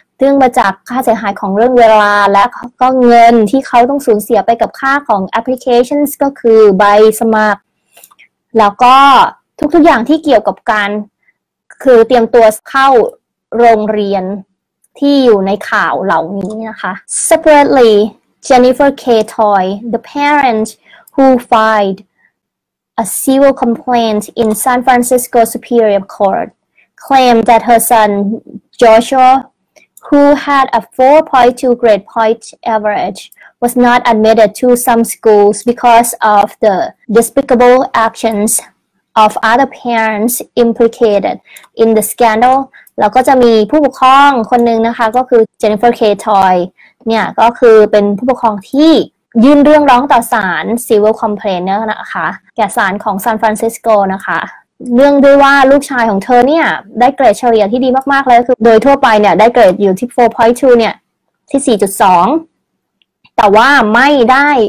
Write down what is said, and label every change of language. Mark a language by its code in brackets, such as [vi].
[th] องมาจากค่าเสียหายของเรื่องเวลาและก็เงินที่เขาต้องสูญเสียไปกับค่าของ applications ก็คือใบสมัคร แล้วก็ทุกๆอย่างที่เกี่ยวกับการคือเตรียมตัวเข้าโรงเรียนที่อยู่ในข่าวเหล่านี้นะคะ [en] Separately Jennifer K. Toy the parent who filedA civil complaint in San Francisco Superior Court claimed that her son, Joshua, who had a 4.2 grade point average, was not admitted to some schools because of the despicable actions of other parents implicated in the scandal. [th] แล้วก็จะมีผู้ปกครองคนหนึ่งนะคะก็คือ Jennifer K. Toy เนี่ยก็คือเป็นผู้ปกครองที่ยื่นเรื่องร้องต่อศาล civil complaint นะคะแก่ศาลของซานฟรานซิสโกนะคะเนื่องด้วยว่าลูกชายของเธอเนี่ยได้เกรดเฉลี่ยที่ดีมากๆเลยคือโดยทั่วไปเนี่ยได้เกรดอยู่ที่ 4.2 เนี่ยที่ 4.2 แต่ว่าไม่ได้